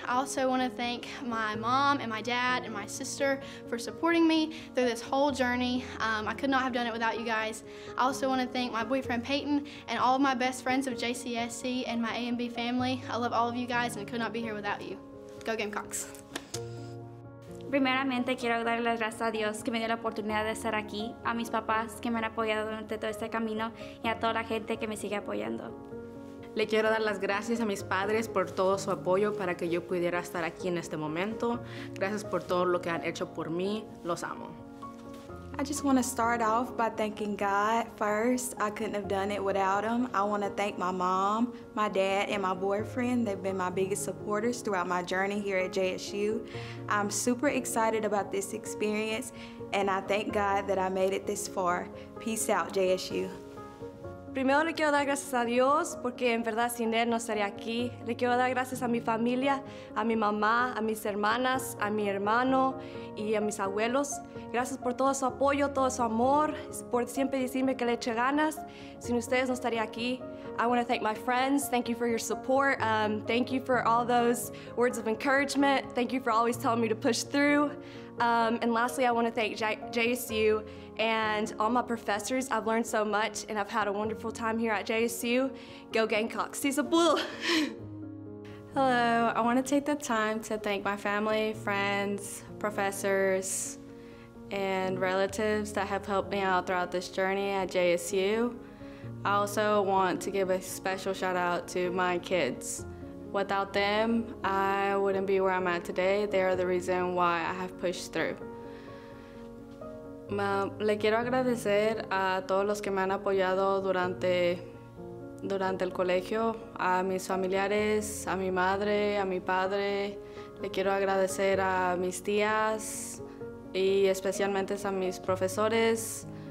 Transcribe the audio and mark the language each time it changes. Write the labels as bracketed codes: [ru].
[en] I also want to thank my mom and my dad and my sister for supporting me through this whole journey. I could not have done it without you guys. I also want to thank my boyfriend, Peyton, and all of my best friends of JCSC and my A&B family. I love all of you guys and could not be here without you. Go Gamecocks. [es] Primeramente, quiero darle las gracias a Dios que me dio la oportunidad de estar aquí, a mis papás que me han apoyado durante todo este camino y a toda la gente que me sigue apoyando. Le quiero dar las gracias a mis padres por todo su apoyo para que yo pudiera estar aquí en este momento. Gracias por todo lo que han hecho por mí. Los amo. [en] I just want to start off by thanking God first. I couldn't have done it without him. I want to thank my mom, my dad, and my boyfriend. They've been my biggest supporters throughout my journey here at JSU. I'm super excited about this experience, and I thank God that I made it this far. Peace out, JSU. [es] Primero le quiero dar gracias a Dios, porque en verdad sin él no estaría aquí. Le quiero dar gracias a mi familia, a mi mamá, a mis hermanas, a mi hermano y a mis abuelos. Gracias por todo su apoyo, todo su amor, por siempre decirme que le eche ganas. Sin ustedes no estaría aquí. [en] I want to thank my friends. Thank you for your support. Thank you for all those words of encouragement. Thank you for always telling me to push through. And lastly, I want to thank JSU and all my professors. I've learned so much, and I've had a wonderful time here at JSU. Go Gamecocks! See some blue! Hello, I want to take the time to thank my family, friends, professors, and relatives that have helped me out throughout this journey at JSU. I also want to give a special shout out to my kids. Without them, I wouldn't be where I'm at today. They are the reason why I have pushed through. [es] Le quiero agradecer a todos los que me han apoyado durante el colegio, a mis familiares, a mi madre, a mi padre. Le quiero agradecer a mis tías y especialmente a mis profesores.